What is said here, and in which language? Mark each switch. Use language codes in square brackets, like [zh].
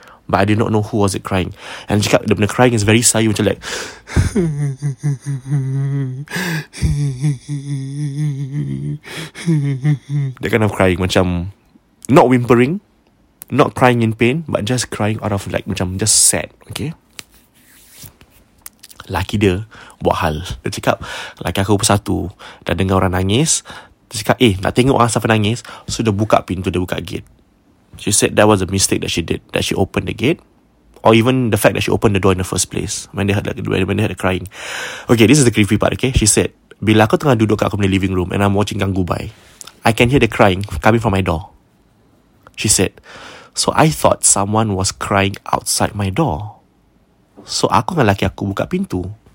[en] But I did not know who was it crying. And [ms] cakap dia punya [en] crying is very [ms] sayu, macam [en] like that kind of crying, macam not whimpering, not crying in pain, but just crying out of like macam just sad. [ms] Okay, laki dia buat hal. Dia cakap, laki aku bersatu dah dengar orang nangis. Dia cakap, nak tengok orang siapa nangis. So dia buka pintu, dia buka gate. [en] She said that was a mistake that she did, that she opened the gate, or even the fact that she opened the door in the first place when they heard the crying. Okay, this is the creepy part. Okay, she said, [ms] bila aku tengah duduk kat aku punya [en] living room and I'm watching Gangubai, I can hear the crying coming from my door, she said. So I thought someone was crying outside my door. [ms] So aku dengan laki aku buka pintu.